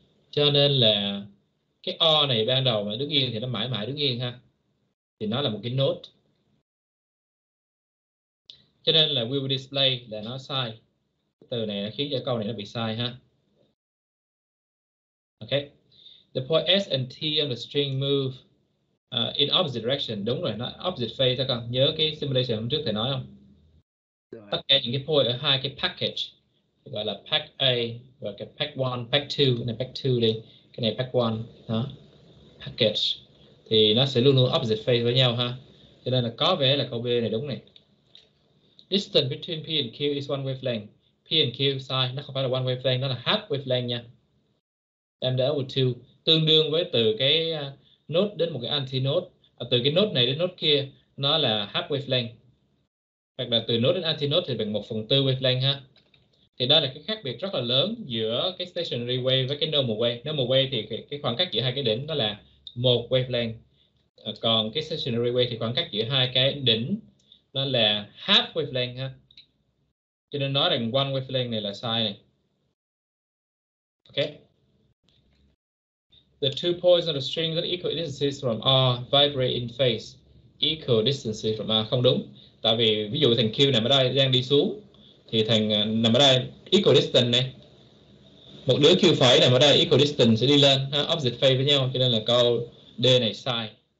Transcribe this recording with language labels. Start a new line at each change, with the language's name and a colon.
Vietnamese: Cho nên là cái O này ban đầu mà đứng yên thì nó mãi mãi đứng yên ha. Thì nó là một cái note. Cho nên là will display là nó sai. Từ này nó khiến cho câu này nó bị sai ha. Okay.
English: The point S and T on the string move in opposite direction.
Vietnamese: Đúng rồi, nó opposite phase các con. Nhớ cái simulation hôm trước thầy nói không? Tất cả những cái point ở hai cái package gọi là pack A và cái pack 1, pack 2, cái này pack 2 đi, cái này pack 1 đó. Package thì nó sẽ luôn luôn opposite phase với nhau ha. Cho nên là có vẻ là câu B này đúng này.
English: Distance between P and Q is one wavelength. P and Q
Vietnamese: sai, nó không phải là one wavelength, nó là half wavelength nha. And the output 2 tương đương với từ cái node đến một cái antinode, từ cái node này đến node kia nó là half wavelength. Hoặc là từ node đến antinode thì bằng 1/4 wavelength ha. Thì đó là cái khác biệt rất là lớn giữa cái stationary wave với cái normal wave. Normal wave thì cái khoảng cách giữa hai cái đỉnh đó là một wavelength. Còn cái stationary wave thì khoảng cách giữa hai cái đỉnh nó là half wavelength ha. Cho nên nói rằng one wavelength này là sai này. Ok.
English: The two points on the string that equal distances from R vibrate in phase equal distances from R.
Vietnamese: Không đúng. Tại vì ví dụ thằng Q nằm ở đây đang đi xuống thì thằng nằm ở đây equal distance này. Một đứa Q phẩy nằm ở đây equal distance sẽ đi lên ha, opposite phase với nhau, cho nên là câu D này sai.